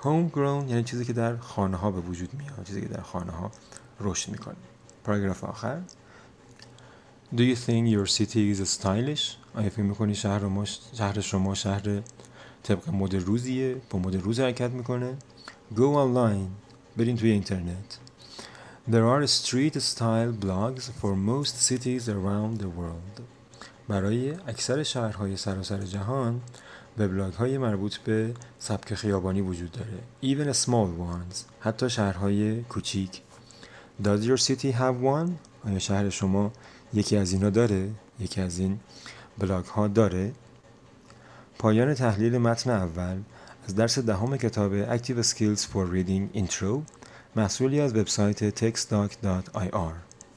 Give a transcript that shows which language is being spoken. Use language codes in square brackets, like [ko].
[fa] Homegrown یعنی چیزی که در خانه ها به وجود میاد، چیزی که در خانه ها رشد میکنه. پاراگراف آخر. [en] Do you think your city is stylish? [fa] آیا فکر میکنی شهر شما شهر طبق مد روزیه؟ با مد روز حرکت میکنه؟ [en] Go online. [fa] برین توی اینترنت. [en] There are street style blogs for most cities around the world. [fa] برای اکثر شهرهای سراسر جهان وبلاگ‌های مربوط به سبک خیابانی وجود داره. [en] Even small ones. [fa] حتی شهرهای کوچیک. [en] Does your city have one? [fa] آیا شهر شما یکی از اینا داره؟ یکی از این بلاگ ها داره؟ پایان تحلیل متن اول از درس دهم کتاب Active Skills for Reading Intro محصولی از وبسایت textdoc.ir.